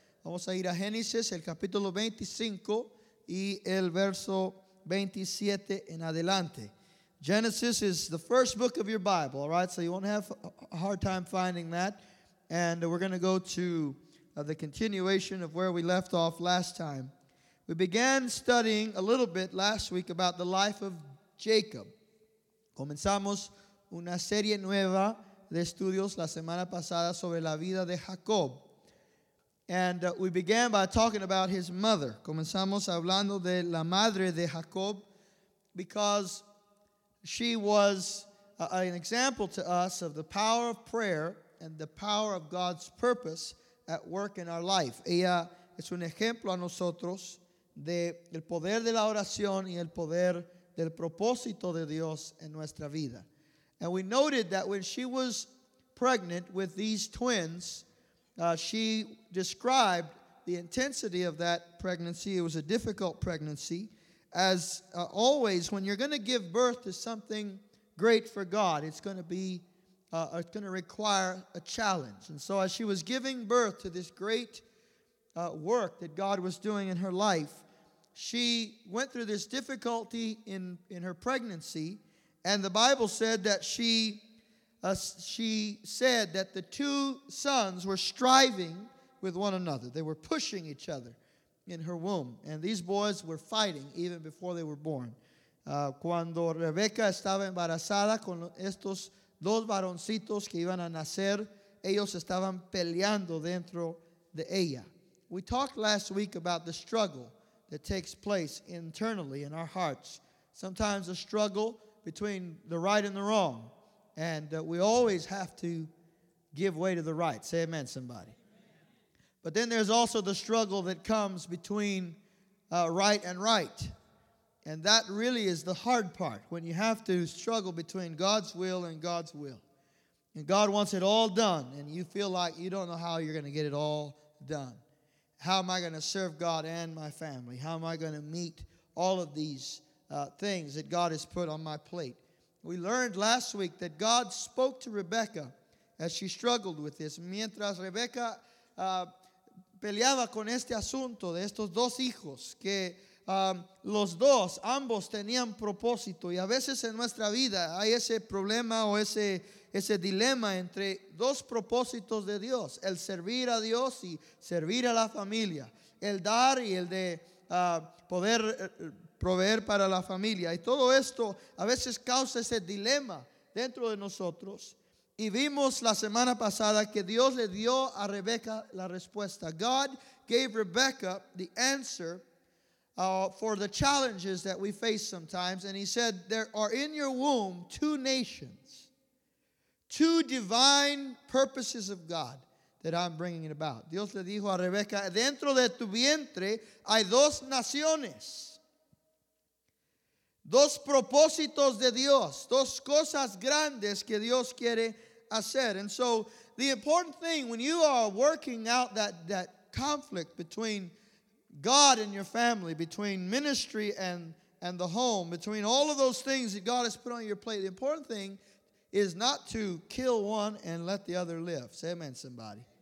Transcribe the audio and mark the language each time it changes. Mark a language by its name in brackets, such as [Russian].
[Spanish] Vamos a ir a Génesis, el capítulo 25 y el verso 27 en adelante. [English] Genesis is the first book of your Bible, all right? So you won't have a hard time finding that. And we're going to go to the continuation of where we left off last time. We began studying a little bit last week about the life of Jacob. [Spanish] Comenzamos una serie nueva de estudios la semana pasada sobre la vida de Jacob. [English] And we began by talking about his mother. [Spanish] Comenzamos hablando de la madre de Jacob [English] because she was an example to us of the power of prayer and the power of God's purpose at work in our life. [Spanish] Ella es un ejemplo a nosotros de el poder de la oración y el poder del propósito de Dios en nuestra vida. [English] And we noted that when she was pregnant with these twins, she described the intensity of that pregnancy. It was a difficult pregnancy. As always, when you're going to give birth to something great for God, it's going to require a challenge. And so as she was giving birth to this great work that God was doing in her life, she went through this difficulty in her pregnancy. And the Bible said that she said that the two sons were striving with one another. They were pushing each other in her womb. And these boys were fighting even before they were born. [Spanish] Cuando Rebeca estaba embarazada con estos dos varoncitos que iban a nacer, ellos estaban peleando dentro de ella. [English] We talked last week about the struggle that takes place internally in our hearts. Sometimes a struggle between the right and the wrong. And we always have to give way to the right. Say amen, somebody. But then there's also the struggle that comes between right and right. And that really is the hard part, when you have to struggle between God's will and God's will. And God wants it all done, and you feel like you don't know how you're going to get it all done. How am I going to serve God and my family? How am I going to meet all of these things that God has put on my plate? We learned last week that God spoke to Rebecca as she struggled with this. [Spanish] Mientras Rebecca peleaba con este asunto de estos dos hijos, que los dos, ambos tenían propósito. Y a veces en nuestra vida hay ese problema o ese dilema entre dos propósitos de Dios: el servir a Dios y servir a la familia, el dar y el de poder proveer para la familia. Y todo esto a veces causa ese dilema dentro de nosotros. Y vimos la semana pasada que Dios le dio a Rebeca la respuesta. [English] God gave Rebecca the answer for the challenges that we face sometimes. And he said, there are in your womb two nations, two divine purposes of God that I'm bringing it about. [Spanish] Dios le dijo a Rebeca, dentro de tu vientre hay dos naciones. Dos propósitos de Dios, dos cosas grandes que Dios quiere hacer. [English] And so the important thing when you are working out that conflict between God and your family, between ministry and the home, between all of those things that God has put on your plate, the important thing is not to kill one and let the other live. Say amen, somebody.